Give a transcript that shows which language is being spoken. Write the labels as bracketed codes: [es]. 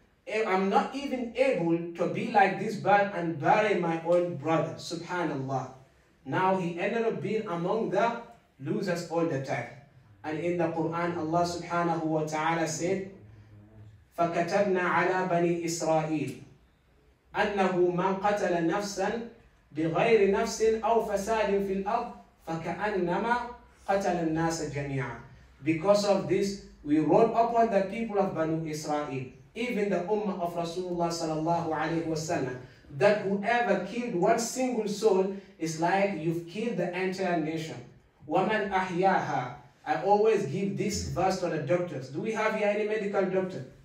[en] I'm not even able to be like this bird and bury my own brother. Subhanallah. Now he ended up being among the losers all the time. And in the Quran, Allah subhanahu wa ta'ala said, [ar] فَكَتَبْنَا عَلَى بَنِي إِسْرَائِيلِ أَنَّهُ مَنْ قَتَلَ نَفْسًا بِغَيْرِ نَفْسٍ أَوْ فَسَادٍ فِي الْأَرْضِ فَكَأَنَّمَا قَتَلَ النَّاسَ جَمِيعًا. [en] Because of this, we wrote upon the people of Banu Israel, even the Ummah of Rasulullah sallallahu alayhi wa sallam, that whoever killed one single soul is like you've killed the entire nation. [ar] وَمَنْ أَحْيَاهَا. [en] I always give this verse to the doctors. Do we have here any medical doctor?